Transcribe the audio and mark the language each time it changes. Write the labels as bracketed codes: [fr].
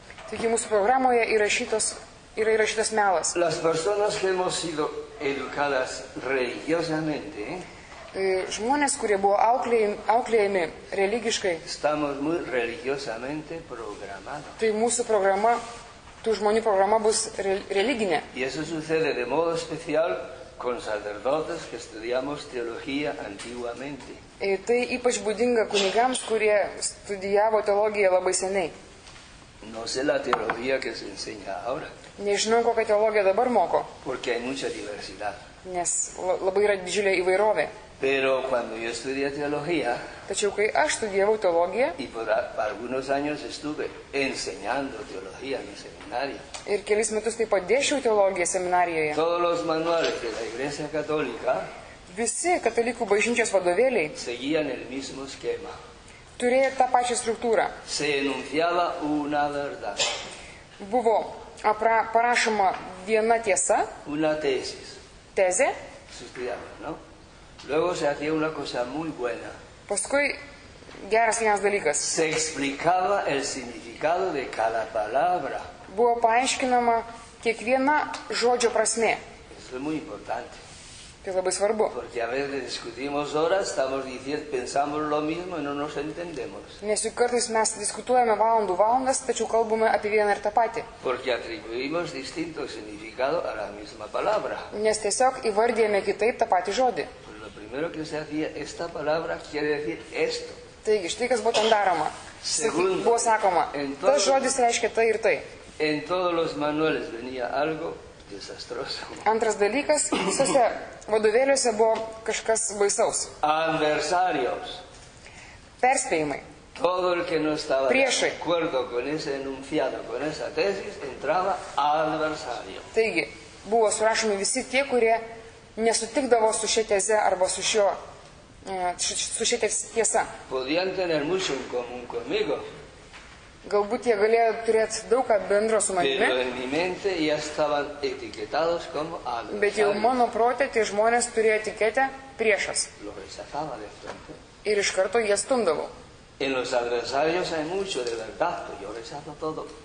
[lt] Taigi mūsų programoje yra įrašytas melas. [es] Las personas que hemos sido educadas religiosamente, [lt] žmonės, kurie buvo auklėjami religiškai, [es] estamos muy religiosamente programados. [lt] Tai mūsų programa, tų žmonių programa bus religinė. [es] Y eso sucede de modo especial con sacerdotes que estudiamos teología antiguamente. [lt] Tai ypač būdinga kunigams, kurie studijavo teologiją labai seniai. [es] No sé la teología que se enseña ahora. [lt] Nežinau, kokią teologiją dabar moko. [es] Porque hay mucha diversidad. [lt] Nes labai yra didžiulė įvairovė. [es] Pero cuando yo estudié teología, [lt] tačiau kai aš studijavau teologiją, [es] y por algunos años estuve enseñando teología en el seminario. [lt] Ir kelis metus taip pat dėšiau teologiją seminarijoje. [es] Todos los manuales de la Iglesia Católica, [lt] visi katalikų bažnyčios vadovėliai, [es] seguían el mismo esquema. [lt] Turėjo tą pačią struktūrą. [es] Se enunciaba una verdad. [lt] Buvo parašoma viena tiesa. [es] Una tesis. [lt] Tezė. [es] Sustudiaba, ¿no? Luego se hacía una cosa muy buena. [lt] Paskui geras vienas dalykas. [es] Se explicaba el significado de cada palabra. [lt] Buvo paaiškinama kiekviena žodžio prasmė. [es] Eso es muy importante. [lt] Tai labai svarbu. [es] Porque a veces discutimos horas, estamos diciendo, pensamos lo mismo y no nos entendemos. [lt] Nes juk kartais mes diskutuojame valandų valandas, tačiau kalbame apie vieną ir tą patį. [es] Porque atribuimos distinto significado a la misma palabra. [lt] Nes tiesiog įvardijame kitaip tą patį žodį. [es] Primero que se hacía, esta palabra quiere decir esto. [lt] Taigi, štai kas buvo ten daroma. [es] Segundo, [lt] buvo sakoma, tas žodis reiškia tai ir tai. [es] En todos los manuales venía algo desastroso. [lt] Antras dalykas, visose vadovėliuose buvo kažkas baisaus. [es] Adversarios. [lt] Perspėjimai. [es] Todo el que no estaba [lt] priešai [es] de acuerdo con ese enunciado, con esa tesis, entraba adversario. [lt] Taigi, buvo surašomi visi tie, kurie nesutikdavo su šia teze arba su šio su šia tiesa. [es] Podían tener mucho en común conmigo. [lt] Galbūt jie galėjo turėti daug ką bendro su manimi. [es] Pero en mi mente ya estaban etiquetados como adversario. [lt] Bet jau mano protė tie žmonės turėjo etiketę priešas. [es] Lo rechazaba de frente. [lt] Ir iš karto jie stumdavo. [es] En los adversarios hay mucho de verdad, pero yo rechazo todo.